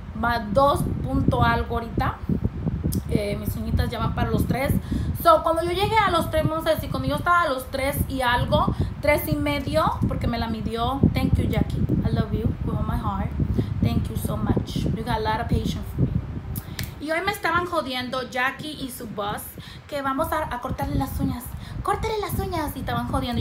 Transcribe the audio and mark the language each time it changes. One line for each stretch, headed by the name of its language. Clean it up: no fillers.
Spanish: Va 2 punto algo ahorita. Mis uñitas ya van para los 3.
English: So,
Spanish: cuando yo llegué a los 3, vamos a decir, cuando yo estaba a los 3 y algo, 3 y medio, porque me la midió.
English: Thank you, Jackie. I love you with all my heart. Thank you so much. You got a lot of patience for me.
Spanish: Y hoy me estaban jodiendo Jackie y su
English: boss
Spanish: que vamos a cortarle las uñas. Córtale las uñas, y estaban jodiendo.